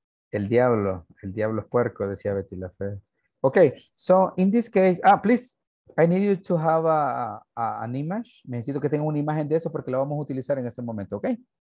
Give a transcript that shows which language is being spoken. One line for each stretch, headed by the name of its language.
Spanish: El diablo es puerco, decía Betty la Fe.
English: Okay, so in this case, please, I need you to have an image.
Spanish: Necesito que tenga una imagen de eso porque la vamos a utilizar en ese momento, okay?